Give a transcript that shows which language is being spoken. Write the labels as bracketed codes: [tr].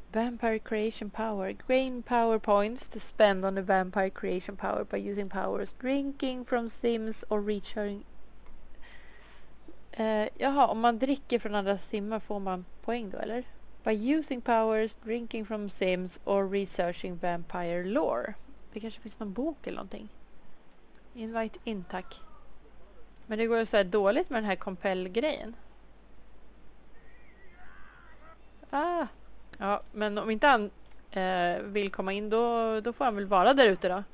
[en] Vampire creation power. Gain power points to spend on the vampire creation power by using powers. Drinking from sims or recharging. [sv] Jaha, om man dricker från andra simmar får man poäng då, eller? [en] By using powers, drinking from sims or researching vampire lore. [sv] Det kanske finns någon bok eller någonting. [en] Invite in, [sv] tack. Men det går ju så här dåligt med den här kompell-grejen. Ah. Ja, men om inte han vill komma in, då får han väl vara där ute då.